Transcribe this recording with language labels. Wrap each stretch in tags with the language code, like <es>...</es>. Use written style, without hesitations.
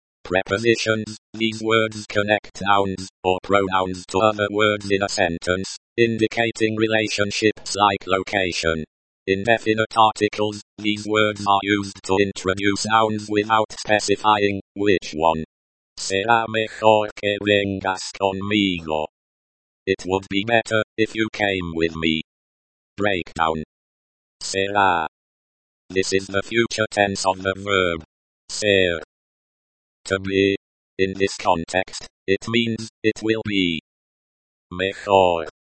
<en>Prepositions, these words connect nouns, or pronouns to other words in a sentence, indicating relationships like location. Indefinite articles, these words are used to introduce nouns without specifying which one.</en> <es>Será mejor que vengas conmigo.</es> <en>It would be better if you came with me. Breakdown. Será. This is the future tense of the verb ser, to be. In this context, it means, it will be. Mejor.</en>